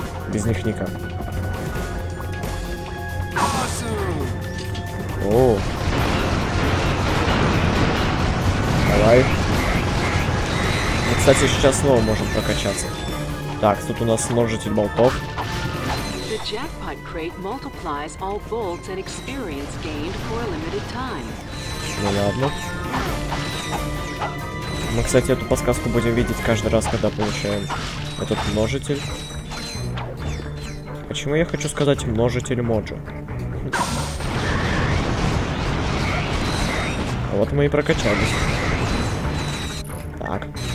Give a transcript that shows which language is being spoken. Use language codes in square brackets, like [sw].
[ru] Без них никак. О, давай. Мы, кстати, сейчас снова можем прокачаться. Так, тут у нас множитель болтов. [en] The jackpot crate multiplies all bolts and experience gained for a limited time. [ru] Ну ладно. Мы, кстати, эту подсказку будем видеть каждый раз, когда получаем этот множитель. Почему я хочу сказать множитель моджо? Вот мы и прокачались. Так.